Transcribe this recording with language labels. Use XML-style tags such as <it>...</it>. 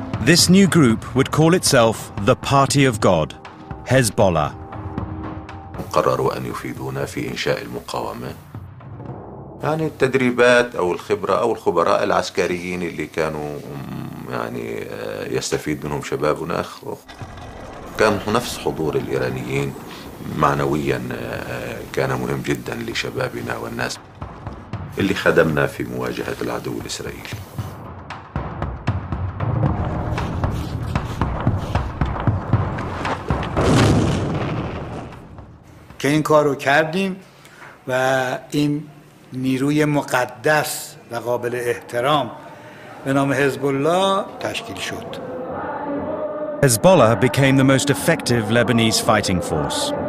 <en>This new group would call itself the Party of God, Hezbollah.</en> <ar>قرروا أن يفيدونا في إنشاء المقاومة يعني التدريبات أو الخبرة أو الخبراء العسكريين اللي كانوا يعني يستفيد منهم شبابنا كان نفس حضور الإيرانيين معنويا كان مهم جدا لشبابنا والناس اللي خدمنا في مواجهة العدو الإسرائيلي.</ar> <fa>که این کارو کردیم و این نیروی مقدس و قابل احترام به نام حزب الله تشکیل شد.</fa> <en>Hezbollah became the most effective Lebanese fighting force.</en>